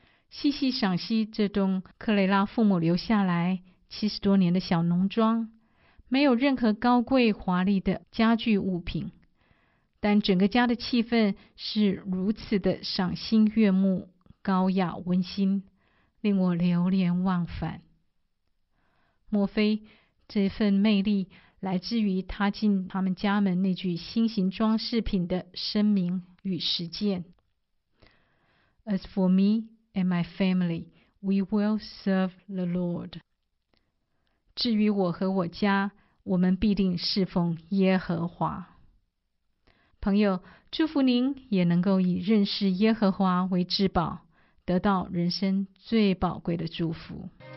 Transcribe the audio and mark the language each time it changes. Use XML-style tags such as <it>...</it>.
<zh>细细赏析这栋克雷拉父母留下来70多年的小农庄，没有任何高贵华丽的家具物品，但整个家的气氛是如此的赏心悦目，高雅温馨，令我流连忘返。莫非这份魅力来自于踏进他们家门那具新型装饰品的声明与实践。</zh> <en>As for me and my family, we will serve the Lord.</en> <zh>至于我和我家，我们必定侍奉耶和华。朋友，祝福您也能够以认识耶和华为至宝，得到人生最宝贵的祝福。</zh>